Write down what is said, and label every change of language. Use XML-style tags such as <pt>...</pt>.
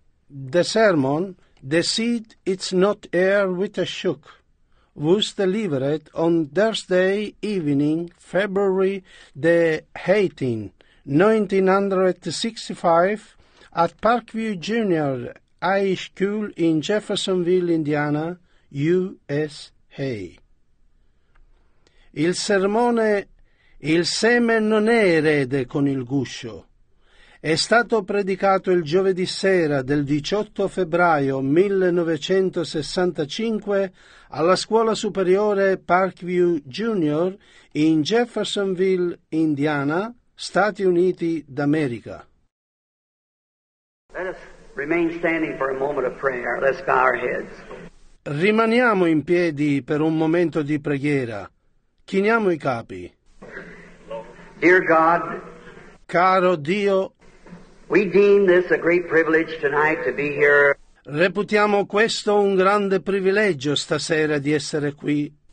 <en>the sermon, the seed is not air with a shook, was delivered on Thursday evening, February the 18th, 1965, at Parkview Junior High School in Jeffersonville, Indiana, USA.</en> <it>Il sermone Il seme non è erede con il guscio è stato predicato il giovedì sera del 18 febbraio 1965 alla scuola superiore Parkview Junior in Jeffersonville, Indiana, Stati Uniti d'America.</it> <en>Let us remain standing for a moment of prayer. Let's bow our heads.</en> <it>Rimaniamo in piedi per un momento di preghiera. Chiniamo i capi.</it> <en>Dear God,</en> <it>caro Dio,</it> <en>we deem this a great privilege tonight to be here.</en> <it>Reputiamo questo un grande privilegio stasera di essere qui.</it>